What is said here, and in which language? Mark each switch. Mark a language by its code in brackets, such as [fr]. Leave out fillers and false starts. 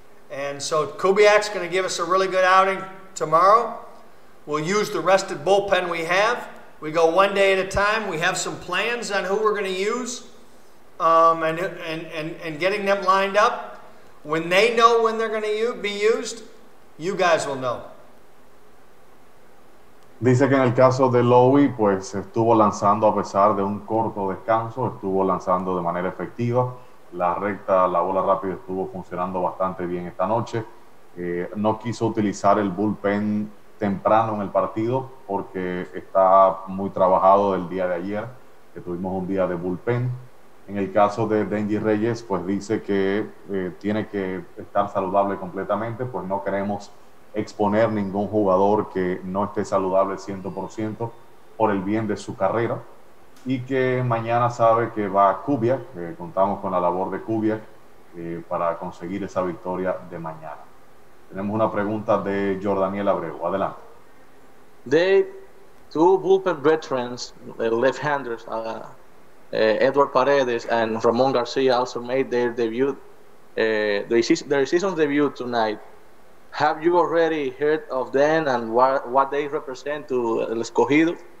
[en] And so Kubiak's going to give us a really good outing tomorrow. We'll use the rested bullpen we have. We go one day at a time. We have some plans on who we're going to use, and getting them lined up. When they know when they're going to be used, you guys will know. [es] Dice que en el caso de Lowey, pues estuvo lanzando a pesar de un corto descanso, estuvo lanzando de manera efectiva. La recta, la bola rápida estuvo funcionando bastante bien esta noche. No quiso utilizar el bullpen temprano en el partido porque está muy trabajado del día de ayer, que tuvimos un día de bullpen. En el caso de Denji Reyes, pues dice que tiene que estar saludable completamente, pues no queremos exponer ningún jugador que no esté saludable 100% por el bien de su carrera, y que mañana sabe que va a Kubiak, contamos con la labor de Kubiak para conseguir esa victoria de mañana. Tenemos una pregunta de Jordaniel Abreu, adelante. [en] Dave, two bullpen veterans, left-handers, Edward Paredes and Ramon Garcia also made their debut, their season debut tonight. Have you already heard of them and what they represent to El Escogido?